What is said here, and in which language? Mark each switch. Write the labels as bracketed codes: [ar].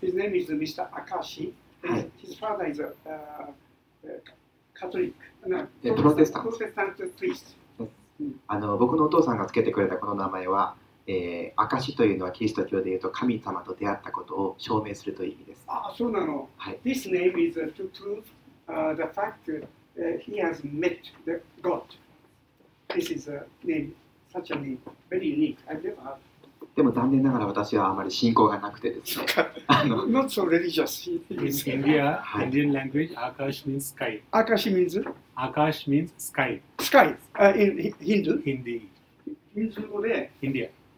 [en] His name is Mr. Akashi. His father is a Catholic. [ja] プロテスタント。プロテスタントプリスト。僕のお父さんがつけてくれたこの名前は、証というのはキリスト教でいうと神様と出会ったことを証明するという意味です。ああ、そうなの。はい。 [en] This name is to prove the fact that he has met the God. This is a name, such a name, very unique. I've never heard. [ja] でも残念ながら私はあまり信仰がなくてですね。 [en] Not so religious. In India, Indian language, Akash means sky. Akash means? Akash means sky. Sky. In Hindu? Hindi. [ja] Hindu 語で [en] India.